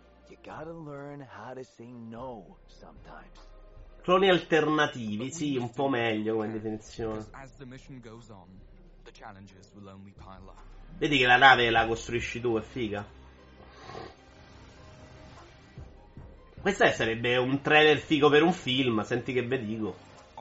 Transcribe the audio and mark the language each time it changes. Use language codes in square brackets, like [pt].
[en] You gotta learn how to say no sometimes. [it] Cloni alternativi, sì, un po' meglio come definizione. [en] As the mission goes on, the challenges will only pile up. [it] Vedi che la nave la costruisci tu, è figa. Questo sarebbe un trailer figo per un film, senti che ve dico.